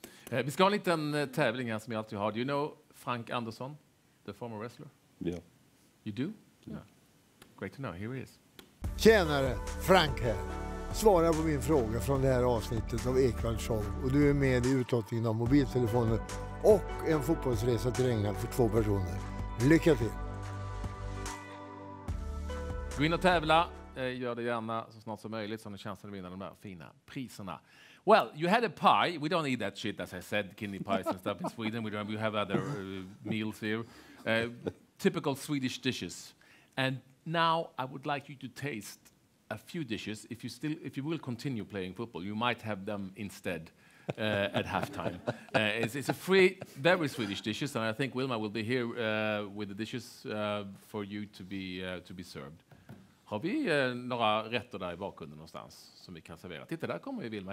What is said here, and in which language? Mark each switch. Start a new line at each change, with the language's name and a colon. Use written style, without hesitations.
Swedish: Vi ska ha en liten tävling här som jag alltid har.
English: Do you know Frank Andersson, the former wrestler? Yeah. You do? Yeah. Great to know. Here he is.
Swedish: Tjenare, Frank här. Svara på min fråga från det här avsnittet av Ekwall Show. Och du är med i uttagningen av mobiltelefoner och en fotbollsresa till England för två personer. Lycka till! Gå in och tävla. Gör det gärna så snart som möjligt så ni chansen att vinna de där fina priserna.
English: Well, you had a pie. We don't eat that shit, as I said, kidney pies and stuff in Sweden. We have other meals here. Typical Swedish dishes. And now I would like you to taste a few dishes. If you will continue playing football, you might have them instead. at halftime. It's a free, very Swedish dishes, and I think Wilma will be here with the dishes for you to be served.
Swedish: Har vi några rätter där i bakgrunden någonstans som vi kan servera? Titta, där kommer ju Wilma.